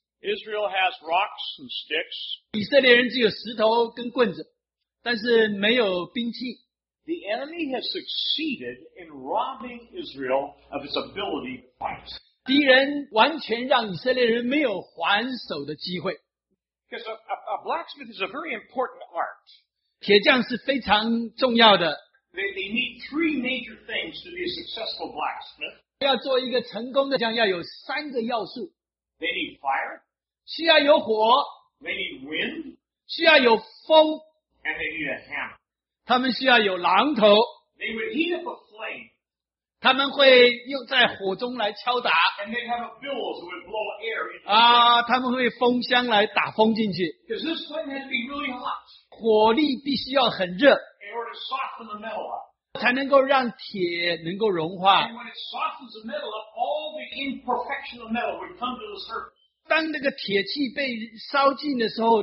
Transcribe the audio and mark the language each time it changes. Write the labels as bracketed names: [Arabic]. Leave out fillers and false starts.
[English] Israel has rocks and sticks. [Chinese] 以色列人只有石头跟棍子，但是没有兵器。 [English] The enemy has succeeded in robbing Israel of its ability to fight. [Chinese] 敌人完全让以色列人没有还手的机会。 [English] Because a blacksmith is a very important art. [Chinese] 铁匠是非常重要的。 [English] They need three major things to be a successful blacksmith. [Chinese] 要做一个成功的匠要有三个要素。 [English] They need fire. [Chinese] 需要有火, [English] they need wind, [Chinese] 需要有风, [English] and they need a hammer. [Chinese] 他们需要有榔头, [English] they would heat up a flame, [Chinese] 他们会用在火中来敲打, [English] and they have a bellows that would blow air into the [Chinese] 啊, 他们会风箱来打风进去, [English] because this flame had to be really hot, [Chinese] 火力必须要很热, [English] in order to soften the metal up. [Chinese] 才能够让铁能够融化, [English] and when it softens the metal up, all the imperfection of metal would come to the surface. [Chinese] 当那个铁器被烧尽的时候,